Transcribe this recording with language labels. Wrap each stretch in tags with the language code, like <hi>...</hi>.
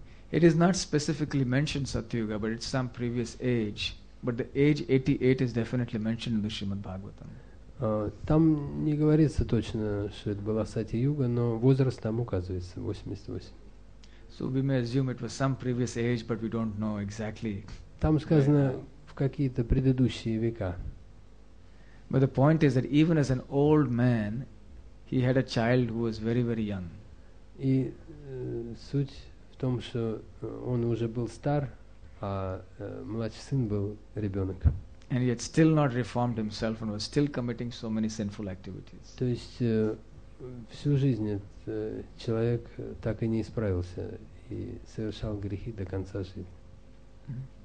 <en>It is not specifically mentioned Satyuga, but it's some previous age. But the age 88 is definitely mentioned in the Shrimad Bhagavatam.</en> <ru>Там не говорится точно, что это была Сати-юга, но возраст там указывается 88.</ru> <en>So we may assume it was some previous age, but we don't know exactly.</en> <ru>Там сказано в какие-то предыдущие века.</ru> <en>But the point is that even as an old man, he had a child who was very, very young.</en> <ru>И суть в том, что он уже был стар, а младший сын был ребенок.</ru> <en>And he had still not reformed himself and was still committing so many sinful activities.</en> <ru>То есть всю жизнь человек так и не исправился и совершал грехи до конца жизни.</ru>